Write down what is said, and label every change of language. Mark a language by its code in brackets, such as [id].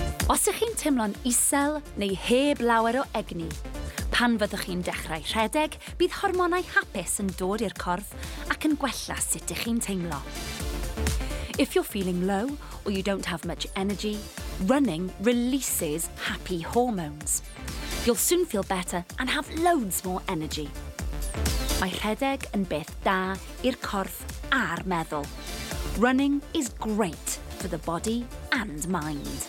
[cy] Os ych chi'n teimlo'n isel neu heb lawer o egni, pan fyddwch chi'n dechrau rhedeg, bydd hormonau hapus yn dod i'r corff ac yn gwella sut ych chi'n teimlo. [en] If you're feeling low or you don't have much energy, running releases happy hormones. You'll soon feel better and have loads more energy. [cy] Mae rhedeg yn beth da i'r corff a'r meddwl. [en] Running is great for the body and mind.